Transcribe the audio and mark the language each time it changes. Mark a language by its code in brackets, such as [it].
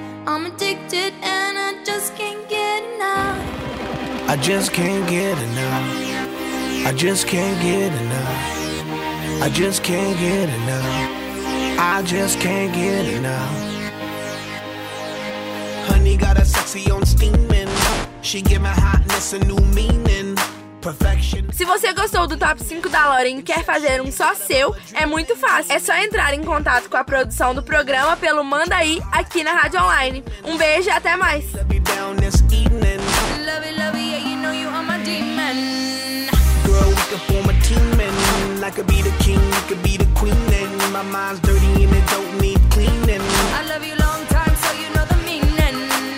[en] I'm addicted and I just can't get enough. I just can't get enough. I just can't get enough. I just can't get enough. I just can't get enough. Honey got a sexy on steaming. She give my hotness a new meaning. Perfection. [pt] Se você gostou do Top 5 da Lauren e quer fazer um só seu, é muito fácil. É só entrar em contato com a produção do programa pelo Manda Aí aqui na Rádio Online. Um beijo e até mais. [en] Love you down this evening. Love you, love you, yeah, you know you are my demon. Girl, we could form a team and I could be the king, you could be the queen. My mind's dirty and it don't need cleaning. I love you long time, so you know the meaning.